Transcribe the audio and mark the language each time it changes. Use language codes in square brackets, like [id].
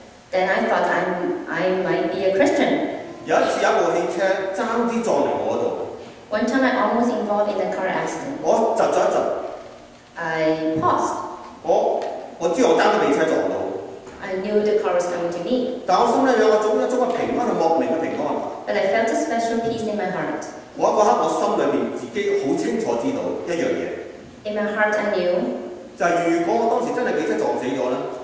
[en] then I thought I might be a Christian. [zh] 有一次有部汽車差點撞到我. [en] One time I almost involved in a car accident. [zh] 我窒了一窒. [en] I paused. [zh] 我知道我差點被車撞到. [en] I knew the car was coming to me. [zh] 但我心裡有一種平安和莫名的平安. [en] But I felt a special peace in my heart. [zh] 我那一刻我心裡自己很清楚知道一件事. [en] In my heart I knew, [zh] 就是如果我當時真的被車撞死了,